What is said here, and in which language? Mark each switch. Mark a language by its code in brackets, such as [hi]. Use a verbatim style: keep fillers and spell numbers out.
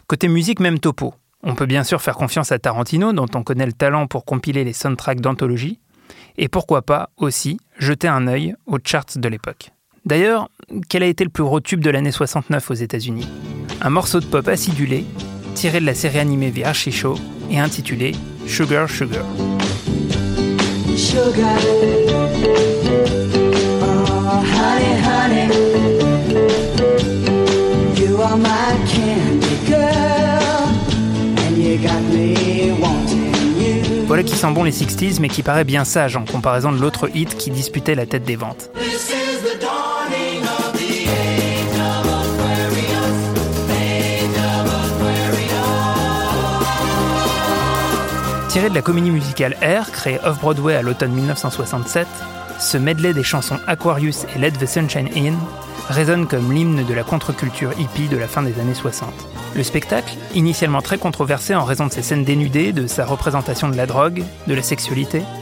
[fr] Côté musique, même topo. On peut bien sûr faire confiance à Tarantino, dont on connaît le talent pour compiler les soundtracks d'anthologie, et pourquoi pas, aussi, jeter un œil aux charts de l'époque. D'ailleurs, quel a été le plus gros tube de l'année soixante-neuf aux États-Unis ? Un morceau de pop acidulé, tiré de la série animée The Archie Show, et intitulé « Sugar Sugar ». [en] Sugar, oh honey, honey, you are my candy girl, and you got me wanting you. [fr] Voilà qui sent bon les sixties, mais qui paraît bien sage en comparaison de l'autre hit qui disputait la tête des ventes. [en] This is the dawning of the age of Aquarius, age of Aquarius. [fr] Tiré de la comédie musicale Air, créée off-Broadway à l'automne dix-neuf cent soixante-sept, ce medley des chansons Aquarius et Let the Sunshine In résonne comme l'hymne de la contre-culture hippie de la fin des années soixante. Le spectacle, initialement très controversé en raison de ses scènes dénudées, de sa représentation de la drogue, de la sexualité,